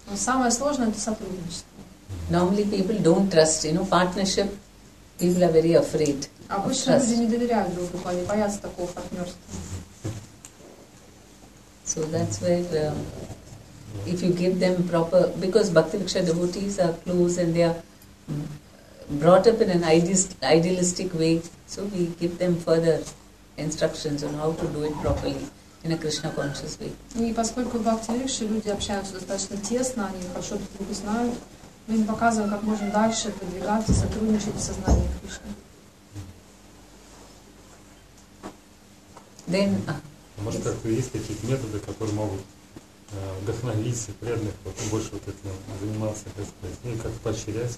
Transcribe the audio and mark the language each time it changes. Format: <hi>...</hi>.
<ru>Самое сложное это сотрудничество.</ru> <en>Normally people don't trust, partnership. People are very afraid.</en> <ru>Обычно люди не доверяют друг другу, они боятся такого партнерства.</ru> <en>So that's where, if you give them proper, because Bhakti Viksha devotees are close and they are brought up in an idealistic way, so we give them further instructions on how to do it properly. In a Krishna conscious way.</en> <ru>И поскольку в Бхакти-рикше люди общаются достаточно тесно, они хорошо друг друга знают, мы им показываем, как можно дальше продвигаться, сотрудничать в сознании Кришны.</ru> <en>Then,</en> <ru>может, как-то есть какие-то методы, которые могут вдохновить и преданных вот, больше вот этим заниматься, так сказать, ну и как-то поощрять.</ru>